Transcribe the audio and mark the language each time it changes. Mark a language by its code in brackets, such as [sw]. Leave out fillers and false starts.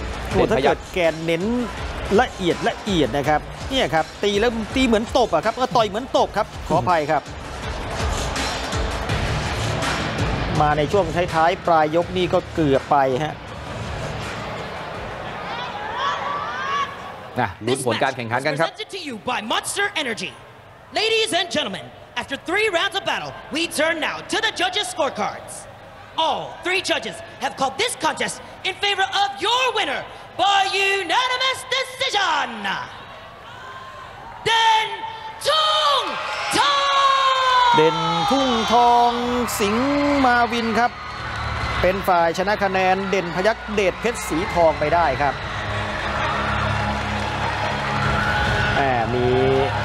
[th] เด่นพยัคฆ์แกเน้นละเอียดละเอียดนะครับเนี่ยครับตีแล้วตีเหมือนตบอ่ะครับก็ต่อยเหมือนตบครับขออภัยครับมาในช่วงท้ายๆปลายยกนี่ก็เกือบไปฮะ นะลุ้นผลการแข่งขันกันครับ [en] Presented to you by Monster Energy. Ladies and gentlemen, after 3 rounds of battle, we turn now to the judges' scorecards. All 3 judges have called this contest in favor of your winner by unanimous decision. [th] Den Tung Tong Den Tung Tong สิงห์มาวินครับเป็นฝ่ายชนะคะแนนเด่นพยัคฆ์เดชเพชรสีทองไปได้ครับมี